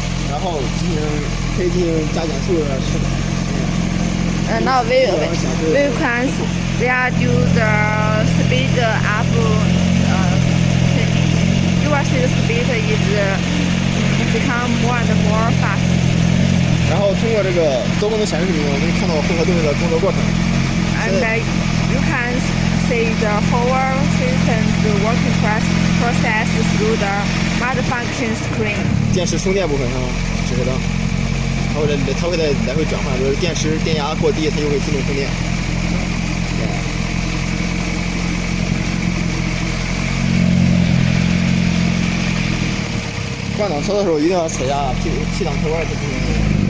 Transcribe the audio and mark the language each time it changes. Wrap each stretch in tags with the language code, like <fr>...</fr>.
<zh>然后可以进行加减速的试档。</zh> <en>Now we can we are do the speed up. You are see the speed is become more and more fast.</en> <zh>然后通过这个多功能显示屏，我们看到混合动力的工作过程。</zh> <en>And you can see the whole system's working process through the multi-function screen.</en> <zh>电池充电部分是吗？指示灯。它会在来回转换，就是电池电压过低，它就会自动充电。换挡车的时候一定要踩下 P 档开关才行。</zh>